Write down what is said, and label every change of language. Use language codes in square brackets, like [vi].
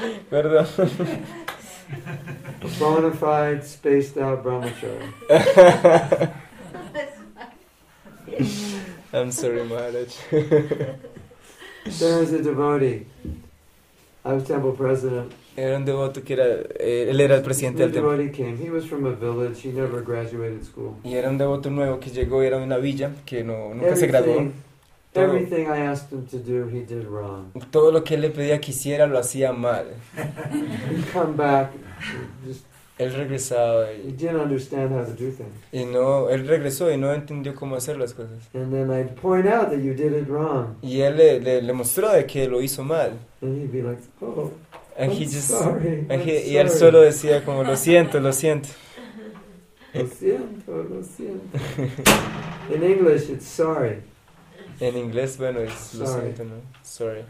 [es] Perdón. [en] Bona fide, spaced out brahmachari. I'm sorry, Maharaj. There was a devotee. I was temple president. [es] Era un devoto que era, él era el presidente del templo. [en] He was from a village. He never graduated school. [es] Y era un devoto nuevo que llegó, era de una villa que no, nunca se graduó. [en] Everything I asked him to do, he did wrong. [es] Todo lo que él le pedía que hiciera lo hacía mal. [en] He'd come back. [es] Él regresaba y, [en] he didn't understand how to do things. [es] Y no, él regresó y no entendió cómo hacer las cosas. [en] And then I'd point out that you did it wrong. [es] Y él le mostró de que lo hizo mal. [en] And he'd be like, oh. And I'm he just, sorry, and I'm he, sorry. [es] Y él solo decía como, lo siento, lo siento. Lo siento, lo siento. [en] In English, it's sorry. [es] En inglés, bueno, es lo siento, ¿no? Sorry.